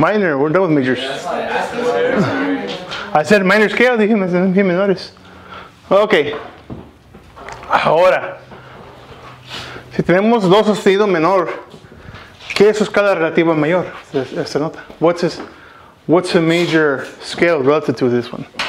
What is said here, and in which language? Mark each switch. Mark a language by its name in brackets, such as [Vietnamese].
[English] Minor, we're done with majors. I said minor scale, [Spanish] dije menores. Okay. Ahora. Si tenemos do sostenido menor, ¿qué es su escala relativa mayor? Esta nota. [English] What's a major scale relative to this one?